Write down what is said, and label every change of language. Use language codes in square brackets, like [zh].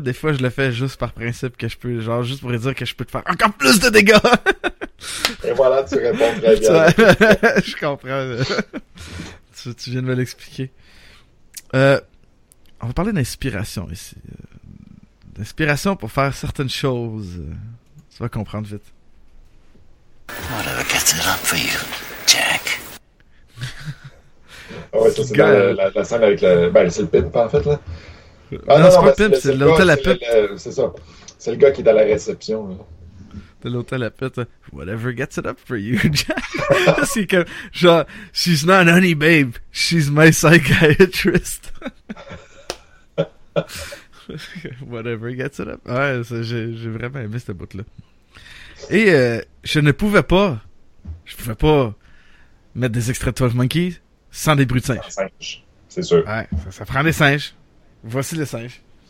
[fr] Des fois, je le fais juste par principe que je peux, genre, juste pour dire que je peux te faire encore plus de dégâts! Et voilà, tu réponds très bien. Je comprends. tu viens de me l'expliquer. On va parler d'inspiration ici. D'inspiration pour faire certaines choses. Tu vas comprendre vite. [en] Whatever gets it up for you, Jack. [fr] Ah ouais, ça c'est la scène avec le. Ben, c'est le pimp en fait, là. Ah non, c'est pas pimp, c'est l'hôtel à pute. C'est ça. C'est le gars qui est à la réception, là. De l'hôtel à pute, [en] whatever gets it up for you, Jack. [fr] C'est comme. [en] Genre, she's not an honey babe, she's my psychiatrist. Whatever gets it up. [fr] Ouais, ça, j'ai vraiment aimé cette bout-là. Et je pouvais pas mettre des extraits de 12 Monkeys sans des bruits de singes. C'est sûr. Ouais, ça prend des singes. Voici les singes.